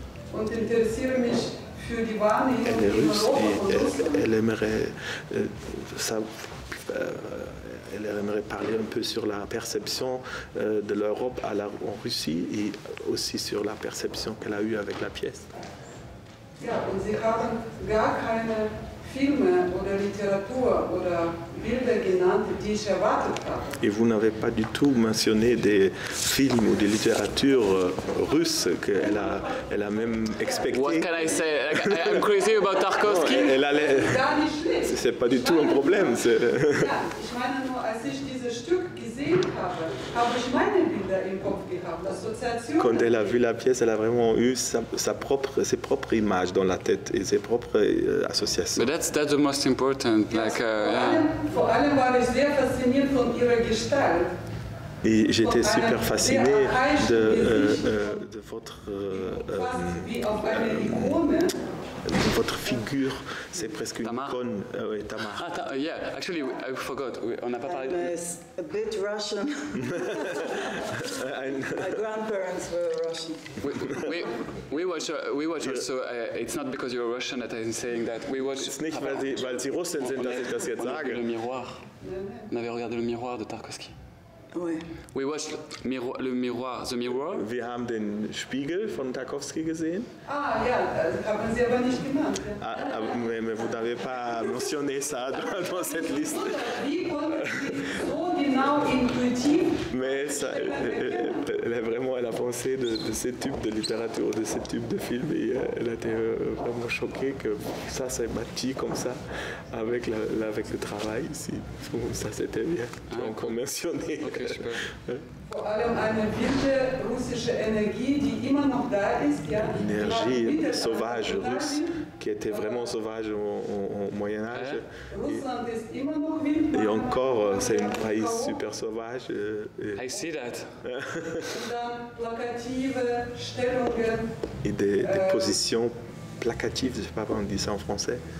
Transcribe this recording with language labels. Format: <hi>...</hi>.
<de>Und interessiere mich für die Wahrnehmung in Russland.</de> <fr>Elle aimerait parler un peu sur la perception de l'Europe à la en Russie et aussi sur la perception qu'elle a eue avec la pièce.</fr> <de>Ja, und sie haben gar keine Filme oder Literatur oder Bilder genannt, die ich erwartet habe.</de> <fr>Et vous n'avez pas du tout mentionné des films ou des littératures russes qu'elle a, elle a même expecté.</fr> <en>What can I say? Like, I'm crazy about Tarkovsky.</en> <fr>Non, elle allait. C'est pas du tout un problème.</fr> <de>Ja, ich meine nur, als ich dieses Stück gesehen habe, habe ich meine Bilder im Kopf gehabt, Assoziationen.</de> <fr>Quand elle a vu la pièce, elle a vraiment eu ses propres images dans la tête et ses propres associations.</fr> <en>But that's the most important. Yes. Like,</en> <de>vor allem war ich sehr fasziniert von ihrer Gestalt.</de> <fr>Et j'étais super fasciné de votre figure. C'est presque Tamar. Une icône, oui, Tamar.</fr> <en>Ah, yeah, actually, I forgot.</en> <fr>On n'a pas parlé.</fr> <en>I'm a bit Russian. My grandparents were Russian. We watch also. It's not because you're Russian that I'm saying that. We watch.</en> <de>It's nicht weil sie Russen sind, dass ich das jetzt sage.</de> <fr>Le miroir. On avait regardé le miroir de Tarkovsky. Oui.</fr> <en>We watched the mirror.</en> <de>Wir haben den Spiegel von Tarkovsky gesehen. Ah ja, das haben Sie aber nicht genannt.</de> <fr>Ja. Ah, mais vous n'avez pas mentionné ça dans cette liste.</fr> <de>Wie konnten Sie so genau intuitiv?</de> <fr>Mais ça, elle a vraiment, elle a pensé de ce type de littérature, de ce type de film, et elle a été vraiment choquée que ça s'est bâti comme ça avec la, avec le travail ici. Ça c'était bien. Ah, donc on mentionnait. Okay,</fr> <de>vor allem eine wilde russische Energie, die immer noch da ist, ja. Die</de> <fr>Energie, sauvage russe, qui était vraiment sauvage au Moyen Âge.</fr> <de>Russland ist immer noch wild.</de> <fr>Et encore, c'est un pays super sauvage.</fr> <en>I see that.</en> <de>Plakative Stellungen.</de> <fr>Et des positions plakatives, je sais pas comment on dit ça en français.</fr>